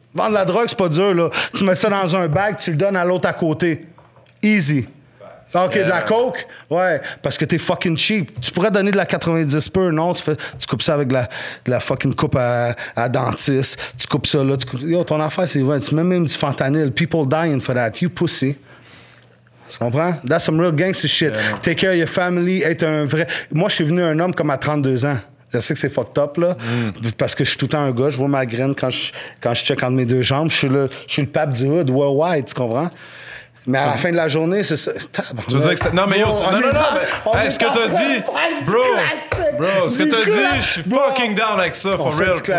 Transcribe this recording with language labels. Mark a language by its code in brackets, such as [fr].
[fr] Vendre la drogue, c'est pas dur, là. Tu mets ça dans un bag, tu le donnes à l'autre à côté. Easy. OK, de la coke? Ouais, parce que t'es fucking cheap. Tu pourrais donner de la 90 pur, non? Tu coupes ça avec de la fucking coupe à dentiste. Tu coupes ça là. Yo, ton affaire, c'est vrai. Tu mets même du fentanyl. [en] People dying for that. You pussy. [fr] Tu comprends? [en] That's some real gangster shit. Yeah. Take care of your family. [fr] Être un vrai... Moi, je suis venu un homme comme à 32 ans. Je sais que c'est fucked up, là. Mm. Parce que je suis tout le temps un gars. Je vois ma graine quand je check entre mes deux jambes. Je suis le pape du hood worldwide, tu comprends? Mais à la fin de la journée, c'est ça. Tu veux dire que c'était... Non, mais yo, non, non, non. Hey, ce que t'as dit, bro, bro, ce que t'as dit, je suis fucking down avec ça, [en] for real.